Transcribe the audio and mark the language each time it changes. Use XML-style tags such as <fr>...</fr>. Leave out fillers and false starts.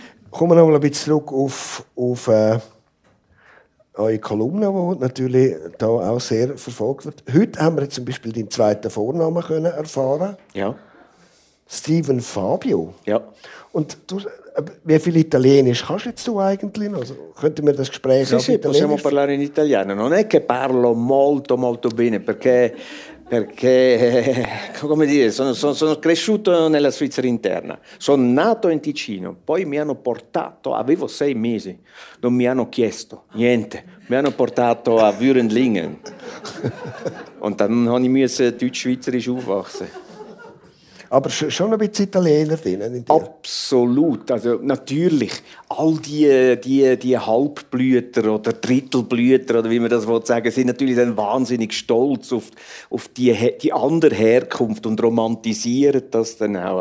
<de>Kommen wir noch mal ein bisschen zurück auf eure Kolumne, die natürlich da auch sehr verfolgt wird. Heute haben wir zum Beispiel deinen zweiten Vornamen können erfahren. Ja. Steven Fabio. Ja. Und wie viel Italienisch kannst du jetzt eigentlich noch? Also, könnten wir das Gespräch auf Italienisch?</de> <it>Possiamo parlare in italiano. Non è che parlo molto, molto bene, perché. Perché, come dire, sono cresciuto nella Svizzera interna. Sono nato in Ticino, poi mi hanno portato, avevo 6 mesi, non mi hanno chiesto niente, mi hanno portato a Würendlingen.</it> <de>Und dann habe ich müssen deutsch-schweizerisch aufwachsen. Aber schon ein bisschen Italiener drin, in dir. Absolut, also natürlich. All die Halbblüter oder Drittelblüter, oder wie man das sagen will, sind natürlich dann wahnsinnig stolz auf die andere Herkunft und romantisieren das dann auch.</de>